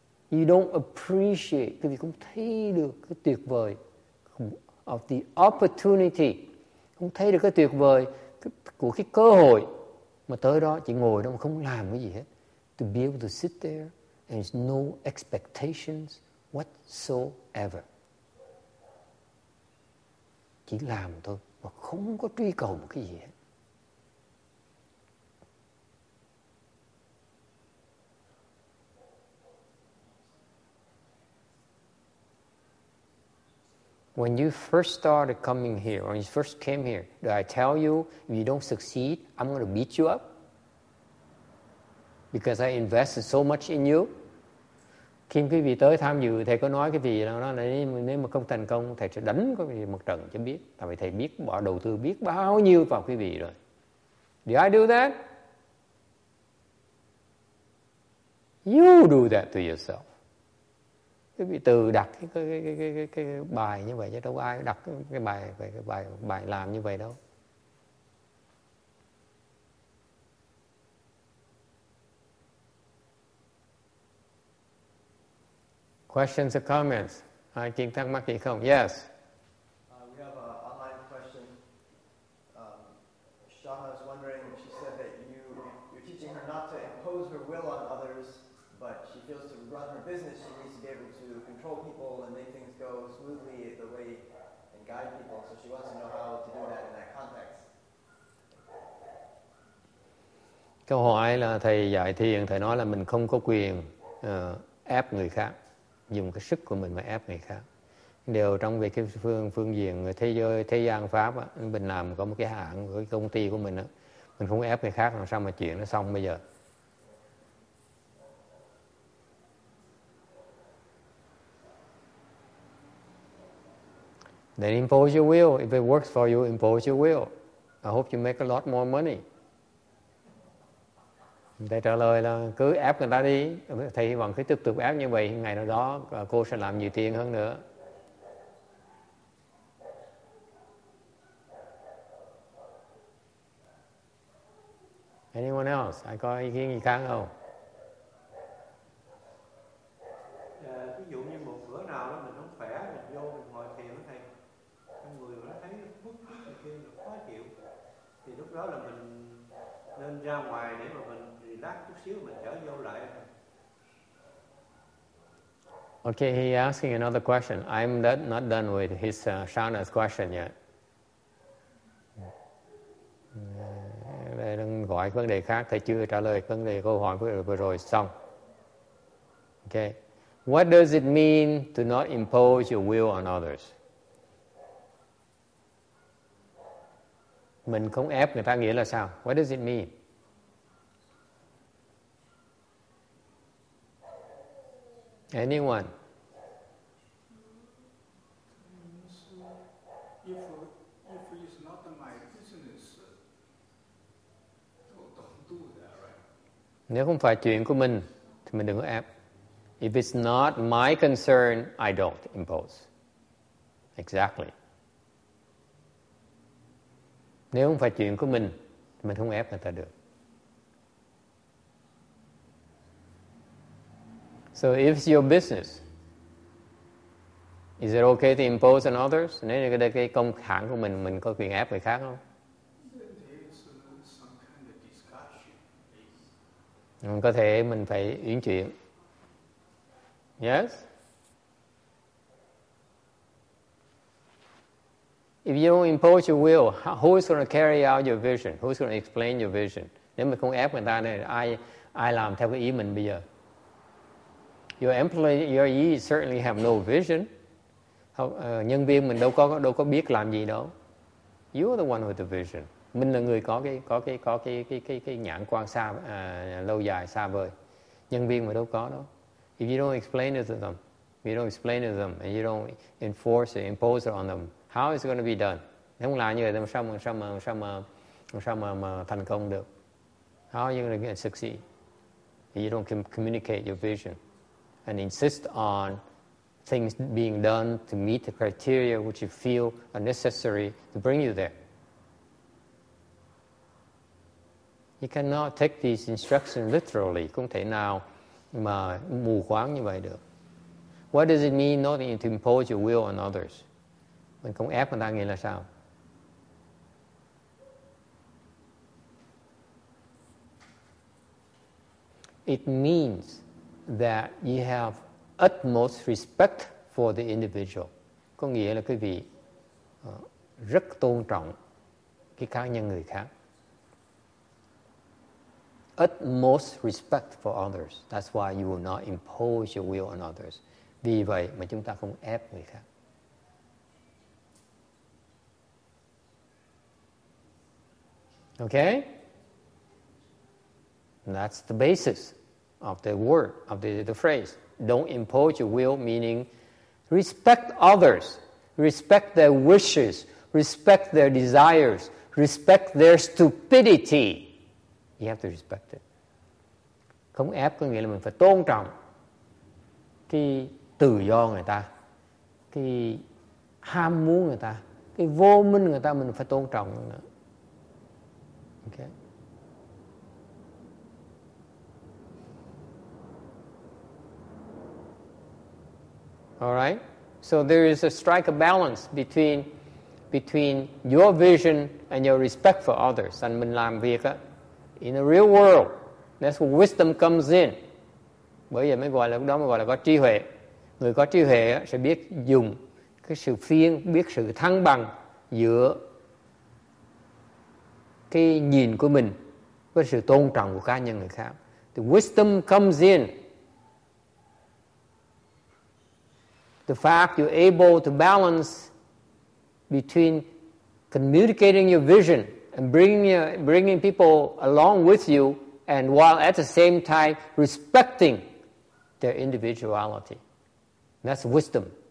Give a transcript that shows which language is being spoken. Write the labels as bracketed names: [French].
[English] You don't appreciate, [Vietnamese] quý vị không thấy được cái tuyệt vời [English] of the opportunity. [Vietnamese] Không thấy được cái tuyệt vời của cái cơ hội. Mà tới đó chỉ ngồi đó mà không làm cái gì hết. [English] To be able to sit there and there's no expectations whatsoever. [Vietnamese] Chỉ làm thôi mà không có truy cầu một cái gì hết. [English] When you first started coming here, when you first came here, did I tell you, if you don't succeed, I'm going to beat you up? Because I invested so much in you? [Vietnamese] Khi quý vị tới tham dự, thầy có nói cái gì đó, nếu mà không thành công, thầy sẽ đánh quý vị một trận cho biết. Tại vì thầy biết, bỏ đầu tư biết bao nhiêu vào quý vị rồi. [English] Did I do that? You do that to yourself. [Vietnamese] Quý vị tự đặt cái bài như vậy chứ đâu có ai đặt cái bài làm như vậy đâu. [English] Questions or comments? [Vietnamese] Ai kiến thắc mắc gì không? [English] Yes. We have an online question. Shaha is wondering, she said that you're teaching her not to impose her will on others, but she feels to run her business, she needs to be able to control people and make things go smoothly the way and guide people, so she wants to know how to do that in that context. [Vietnamese] Câu hỏi là thầy dạy thiền, thầy nói là mình không có quyền ép người khác, dùng cái sức của mình mà ép người khác. Điều trong việc cái phương diện người thế giới, thế gian Pháp á, mình làm có một cái hãng, cái công ty của mình á, mình không ép người khác làm sao mà chuyện nó xong bây giờ. [English] Then impose your will. If it works for you, impose your will. I hope you make a lot more money. [Vietnamese] Thầy trả lời là cứ ép người ta đi. Thầy hy vọng cứ tiếp tục ép như vậy, ngày nào đó cô sẽ làm nhiều tiền hơn nữa. [English] Anyone else? [Vietnamese] Ai có ý kiến gì khác không? Ví dụ như một bữa nào đó mình không khỏe, mình vô mình ngồi thiền với thầy, con người nó thấy bức xúc này kia, nó khó chịu, thì lúc đó là mình nên ra ngoài để mà mình relax chút xíu, mình trở vô lại. [English] Okay, he asking another question. I'm not done with his Shana's question yet. [Vietnamese] Đang gọi vấn đề khác, thầy chưa trả lời vấn đề câu hỏi vừa rồi xong. [English] Okay. What does it mean to not impose your will on others? [Vietnamese] Mình không ép người ta nghĩa là sao? [English] What does it mean? Anyone? [Vietnamese] Nếu không phải chuyện của mình thì mình đừng có ép. [English] If it's not my concern, I don't impose. Exactly. [Vietnamese] Nếu không phải chuyện của mình thì mình không ép người ta được. [English] So if it's your business, is it okay to impose on others? [Vietnamese] Nếu như cái công hãng của mình có quyền ép người khác không? Có thể mình phải uyển chuyển. [English] Yes? If you don't impose your will, who is going to carry out your vision? Who is going to explain your vision? [Vietnamese] Nếu mình không ép người ta này, ai làm theo cái ý mình bây giờ? [English] Your employee, your ye certainly have no vision. [Vietnamese] Nhân viên mình đâu có biết làm gì đâu. [English] You are the one with the vision. [Vietnamese] Mình là người có cái nhãn quan xa lâu dài xa vời, nhân viên mà đâu có đó. [English] If you don't explain it to them, you don't explain it to them, and you don't enforce it, impose it on them, how is it going to be done? [Vietnamese] Nếu không làm như vậy thì sao mà thành công được? [English] How are you going to succeed if you don't communicate your vision and insist on things being done to meet the criteria which you feel are necessary to bring you there? You cannot take these instructions literally. [Vietnamese] Không thể nào mà mù quáng như vậy được. [English] What does it mean not to impose your will on others? [Vietnamese] Mình không ép người ta nghĩa là sao? [English] It means that you have utmost respect for the individual. [Vietnamese] Có nghĩa là quý vị rất tôn trọng cái cá nhân người khác. [English] Utmost respect for others. That's why you will not impose your will on others. [Vietnamese] Vì vậy mà chúng ta không ép người khác. [English] Okay? That's the basis of the word, of the phrase. Don't impose your will, meaning respect others. Respect their wishes. Respect their desires. Respect their stupidity. You have to respect it. [Vietnamese] Không ép có nghĩa là mình phải tôn trọng cái tự do người ta, cái ham muốn người ta, cái vô minh người ta, mình phải tôn trọng. [English] Okay. All right. So there is a strike a balance between your vision and your respect for others. And [Vietnamese] mình làm việc á, [English] in the real world, that's where wisdom comes in. [Vietnamese] Bởi vậy mới gọi là, lúc đó mới gọi là có trí huệ. Người có trí huệ sẽ biết dùng cái sự phiên, biết sự thăng bằng giữa cái nhìn của mình với sự tôn trọng của cá nhân người khác. [English] The wisdom comes in. The fact you're able to balance between communicating your vision and bringing people along with you, and while at the same time respecting their individuality. That's wisdom.